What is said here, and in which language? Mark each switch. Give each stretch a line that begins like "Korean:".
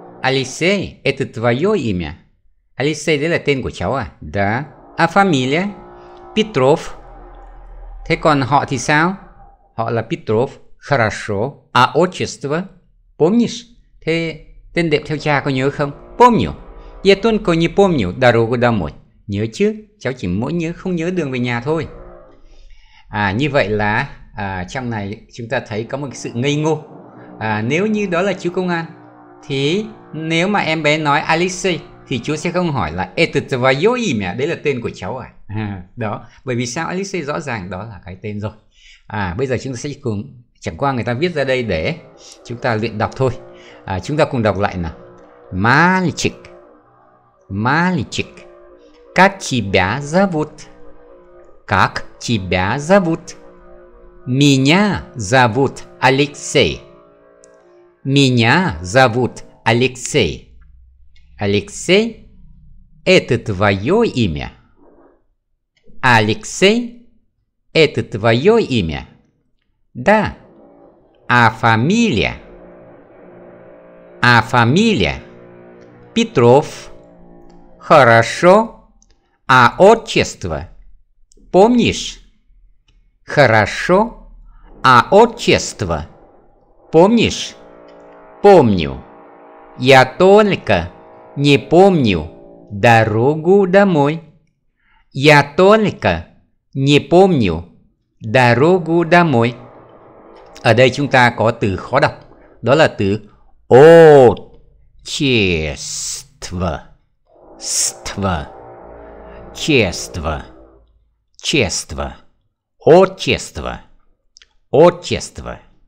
Russian: Алексей, это твое имя?
Vietnamese: Алексей, đấy là tên của cháu à?
Russian: Да. А фамилия? Петров.
Vietnamese: Thế còn họ thì sao? Họ là Петров.
Russian: Хорошо. А отчество? Помнишь?
Vietnamese: Thế tên đệm theo cha có nhớ không?
Russian: Помню. Я только не помню дорогу домой.
Vietnamese: Nhớ chứ? Cháu chỉ mỗi nhớ không nhớ đường về nhà thôi. À, như vậy là trong này chúng ta thấy có một sự ngây ngô. Nếu như đó là chú công an, thì nếu mà em bé nói Alice, thì chú sẽ không hỏi là
Russian: это твоё имя,
Vietnamese: đấy là tên của cháu à? Đó. Bởi vì sao Alice rõ ràng đó là cái tên rồi. À, bây giờ chúng ta sẽ cùng, chẳng qua người ta viết ra đây để chúng ta luyện đọc thôi. À, chúng ta cùng đọc lại nào.
Russian: Мальчик, мальчик, как тебя зовут? Как тебя зовут? Меня зовут Алексей. Меня зовут Алексей. Алексей, это твое имя? Алексей, это твое имя? Да. А фамилия? А фамилия? Петров. Хорошо. А отчество? Помнишь? Хорошо. А отчество? Помнишь? Помню. Я только не помню дорогу домой. Я только не помню дорогу домой.
Vietnamese: Ở đây chúng ta có từ khó đọc, đó là từ отчество.
Russian: Ство. Чество. Чество. Отчество. Отчество.